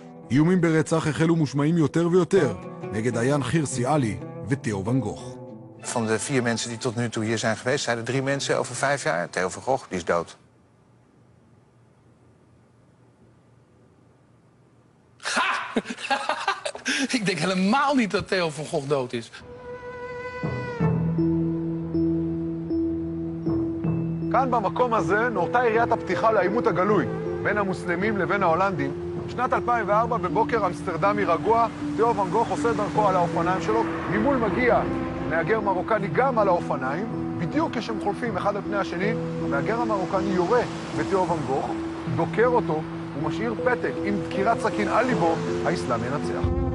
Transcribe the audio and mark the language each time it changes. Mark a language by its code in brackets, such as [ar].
[he] איומים ברצח החלו מושמעים יותר ויותר נגד עיין חירסי אלי ותיאו ואן גוך. [nl] Van de 4 mensen die tot nu toe hier zijn geweest, zeiden 3 mensen over 5 jaar. Theo van Gogh, die is dood. Ha! Ik denk helemaal niet dat Theo van Gogh dood is. [he] כאן במקום הזה נורתה עיריית הפתיחה לעימות הגלוי בין המוסלמים לבין ההולנדים. שנת 2004, בבוקר אמסטרדמי רגוע, תיאו ואן גוך עושה דרכו על האופניים שלו, ממול מגיע מהגר מרוקני גם על האופניים, בדיוק כשהם חולפים אחד על פני השני, מהגר המרוקני יורה בתיאו ואן גוך, דוקר אותו ומשאיר פתק עם דקירת סכין על ליבו, האסלאם ינצח.